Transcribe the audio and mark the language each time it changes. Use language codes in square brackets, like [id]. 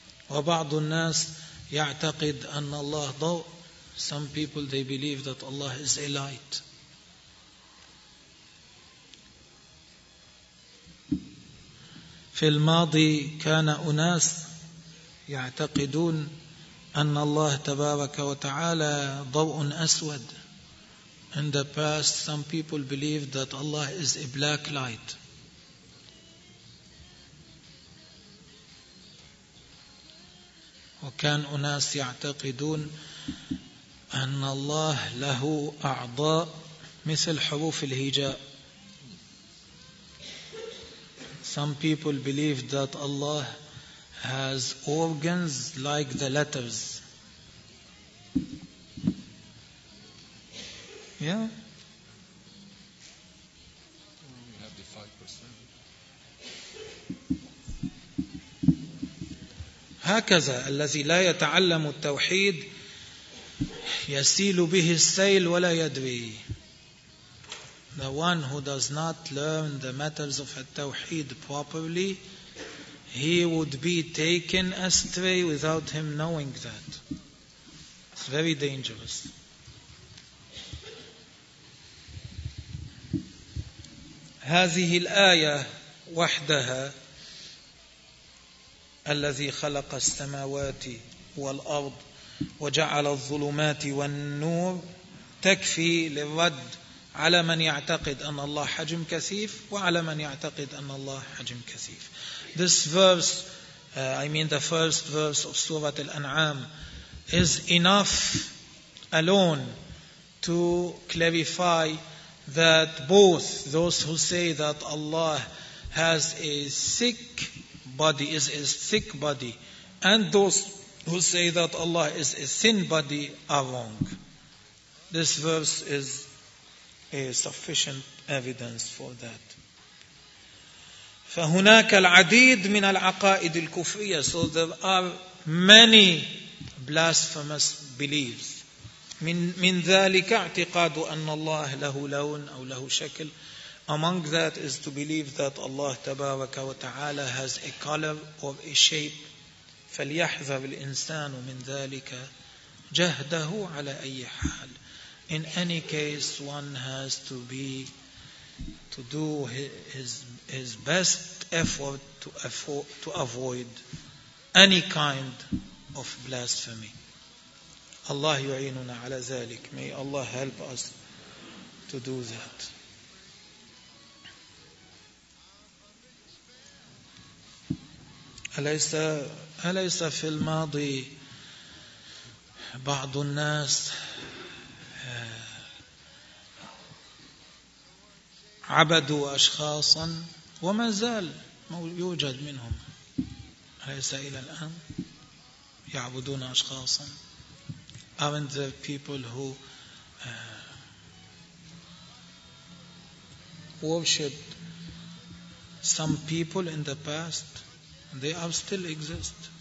[ar] وبعض الناس يعتقد أن الله ضوء. [en] Some people, they believe that Allah is a light. [ar] في الماضي كان أناس يعتقدون أن الله تبارك وتعالى ضوء أسود. [en] In the past, some people believed that Allah is a black light. [ar] وكان أناس يعتقدون أن الله له أعضاء مثل حروف الهجاء. [en] Some people believed that Allah has organs like the letters. Yeah? We have the 5%. [ar] هكذا الذي لا يتعلم التوحيد يسيل به السيل ولا يدري. [en] The one who does not learn the matters of التوحيد properly, he would be taken astray without him knowing that. It's very dangerous. [ar] هذه الآية وحدها الذي خلق السماوات والأرض وجعل الظلمات والنور تكفي للرد على من يعتقد أن الله حجم كثيف وعلى من يعتقد أن الله حجم كثيف. [en] This verse, the first verse of Surah Al-An'am, is enough alone to clarify that both those who say that Allah has a thick body, is a thick body, and those who say that Allah is a thin body are wrong. This verse is a sufficient evidence for that. [ar] فهناك العديد من العقائد الكفرية. [en] So there are many blasphemous beliefs. [ar] من ذلك اعتقاد أن الله له لون أو له شكل. [en] Among that is to believe that Allah تبارك وتعالى has a color or a shape. [ar] فليحذر الإنسان من ذلك جهده على أي حال. [en] In any case, one has to be to do his best effort to avoid any kind of blasphemy. [ar] Allah yu'inuna ala zalik. [en] May Allah help us to do that. [ar] Alaysa fil madi ba'du an-nas عبدوا أشخاصا وما زال يوجد منهم أليس إلى الآن يعبدون أشخاصا. [en] Aren't there people who worshipped some people in the past? They are still exist.